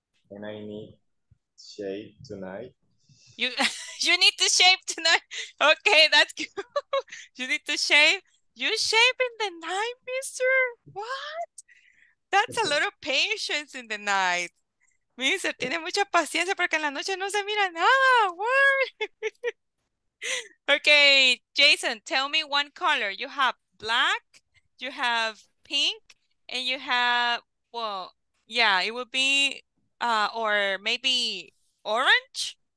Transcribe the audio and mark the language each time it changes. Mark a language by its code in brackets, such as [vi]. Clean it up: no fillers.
[en] And I need shave tonight. You need to shave tonight? Okay, that's good. You need to shave? You shave in the night, mister? What? That's a lot of patience in the night. [es] Mister, tiene mucha paciencia porque en la noche no se mira nada. [en] What? Okay, Jason, tell me one color. You have black, you have pink, and you have, well, yeah, it would be, or maybe orange?